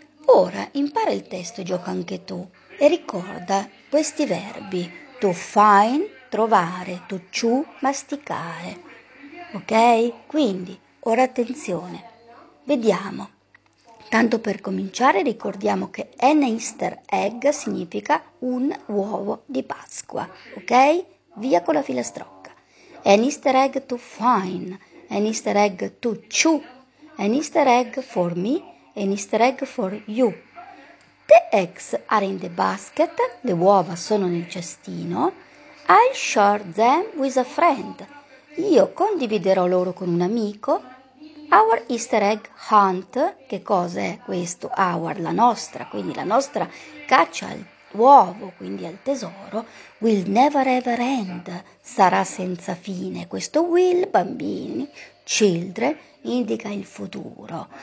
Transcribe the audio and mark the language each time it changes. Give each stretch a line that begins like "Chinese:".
Italian: Ora impara il testo e gioca anche tu e ricorda questi verbi: to find, trovare, to chew, masticare. Ok? Quindi, ora attenzione. Vediamo. Tanto per cominciare, ricordiamo che an Easter egg significa un uovo di Pasqua. Ok? Via con la filastrocca.
English: An Easter egg to find, an Easter egg to chew, an Easter egg for me, an Easter egg for you. The eggs are in the basket,
Italian: le uova sono nel cestino.
English: I share them with a friend.
Italian: Io condividerò loro con un amico.
English: Our Easter egg hunt.
Italian: Che cos'è questo? Our, la nostra, quindi la nostra caccia all'uovo, quindi al tesoro,
English: will never ever end.
Italian: Sarà senza fine. Questo will, bambini, children, indica il futuro.